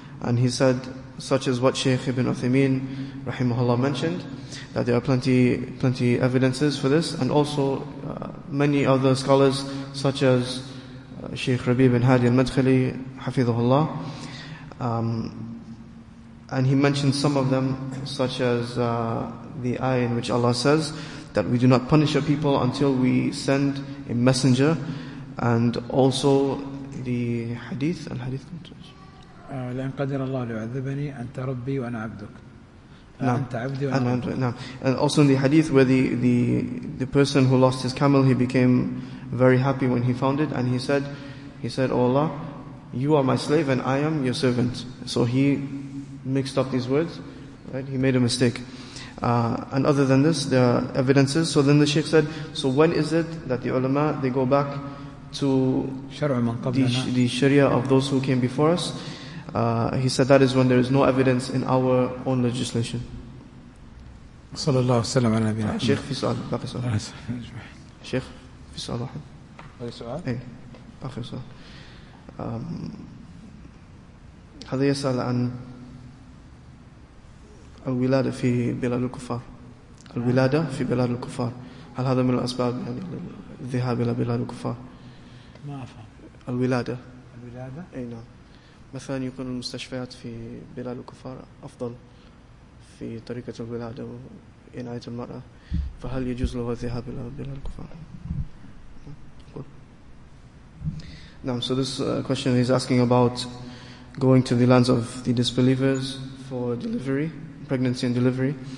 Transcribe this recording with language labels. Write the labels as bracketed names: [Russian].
[English] And he said, such as what Shaykh Ibn Uthaymeen rahimahullah mentioned, that there are plenty evidences for this, and also many other scholars such as Shaykh Rabi bin Hadi al-Madkhali hafidhahullah, and he mentioned some of them, such as the ayah in which Allah says that we do not punish a people until we send a messenger, and also the hadith [Arabic] لأن قدر الله ليعذبني أنت ربي وأنا عبدك. أنت عبدي وأنا عبدك. نعم. [English] And also in the hadith where the person who lost his camel, he became very happy when he found it, and he said, oh Allah, you are my slave and I am your servant. So he mixed up these words, right? He made a mistake. And other than this, there are evidences. So then the Shaykh said, so when is it that the ulama, they go back to the Sharia of those who came before us? He said that is when there is no evidence in our own legislation. [Arabic] صلى الله عليه وسلم على نبينا. شيخ في سؤال باقي سؤال. شيخ في سؤال واحد. باقي سؤال. باقي سؤال. هذا يسأل عن الولادة في بلاد الكفار. الولادة في بلاد الكفار. هل هذا من الأسباب يعني الذهاب إلى بلاد الكفار؟ ما أفهم. الولادة. الولادة. أي نعم. مثلا يكون المستشفيات في بلاد الكفار أفضل في طريقة الولادة وإناية المرأة، فهل يجوز له الذهاب إلى بلاد الكفار؟ نعم. [English] So this question is asking about going to the lands of the disbelievers for delivery, pregnancy and delivery.